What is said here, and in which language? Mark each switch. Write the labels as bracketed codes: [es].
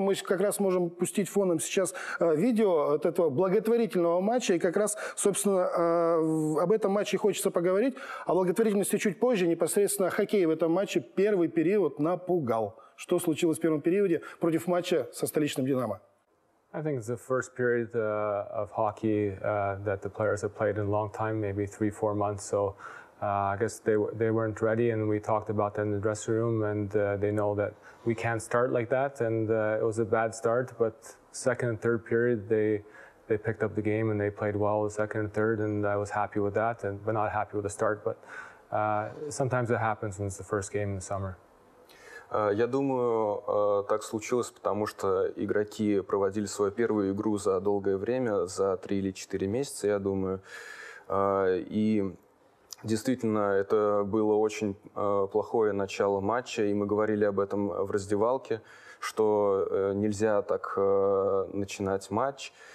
[ru] Мы как раз можем пустить фоном сейчас видео от этого благотворительного матча, и как раз, собственно, об этом матче хочется поговорить. О благотворительности чуть позже, непосредственно о хоккее в этом матче. Первый период напугал. Что случилось в первом периоде против матча со столичным «Динамо»? [en] I think it's the first period of hockey that the players have played in a long time, maybe 3-4 months. So I guess they weren't ready, and we talked about that in the dressing room, and they know that we can't start like that, and it was a bad start. But second and third period, they picked up the game and they played well the second and third, and I was happy with that, and but not happy with the start. But sometimes it happens, and it's the first game in the summer. [ru] Я думаю, так случилось, потому что игроки проводили свою первую игру за долгое время, за 3 или 4 месяца, я думаю. И действительно, это было очень плохое начало матча, и мы говорили об этом в раздевалке, что нельзя так начинать матч.